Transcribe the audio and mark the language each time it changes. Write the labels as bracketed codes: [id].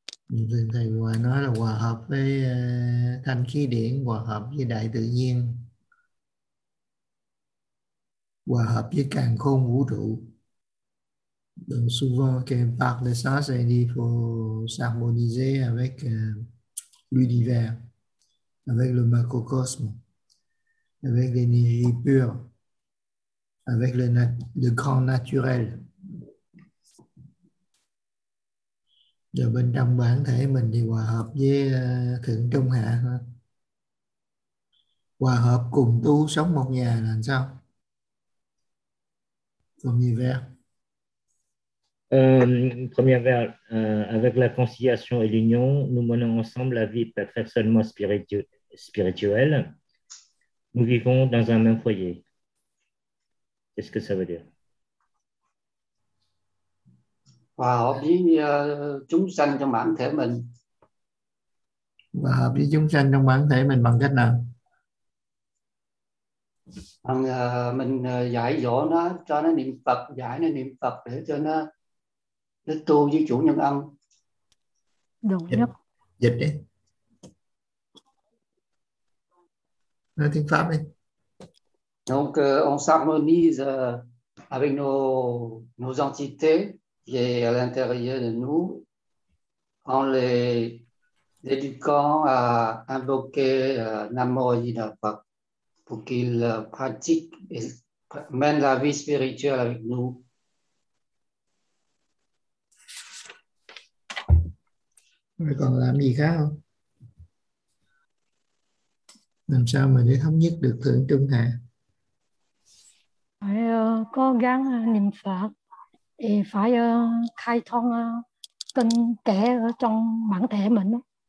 [vi] Thường thầy vừa nói là hòa hợp với thanh khí điển, hòa hợp với đại tự nhiên, hòa hợp với càn khôn vũ trụ. [fr] Donc souvent que par le sens c'est dit faut s'harmoniser avec l'univers, avec le macrocosme, avec l'énergie pure, avec le grand naturel. [vi] Rồi bên trong bản thể mình thì hòa hợp với thượng trung hạ thôi. Hòa hợp cùng tu sống một nhà là sao? Cùng như vậy. [fr] Premier vers, avec la conciliation et l'union, nous menons ensemble la vie perfectionnement spirituelle. Nous vivons dans un même foyer. Qu'est-ce que ça veut dire? [vi] Hòa hợp với chúng sanh trong bản thể mình. Hòa hợp với chúng sanh trong bản thể mình bằng cách nào? Mình dạy dỗ nó, cho nó niệm Phật, dạy nó niệm Phật để cho nó tu với chủ nhân ân. Đúng Dịch nhất. đi, nói tiếng Pháp [fr] Donc, on s'harmonise avec nos entités qui est à l'intérieur de nous, en les éduquant à invoquer Namo Ajita Phat pour qu'ils pratiquent et mènent la vie spirituelle avec nous. [vi] rồi còn làm gì khác không? Làm sao mà để thống nhất được thượng trung hạ? Cố gắng niệm Phật thì phải khai thông kinh kệ ở trong bản thể mình đó.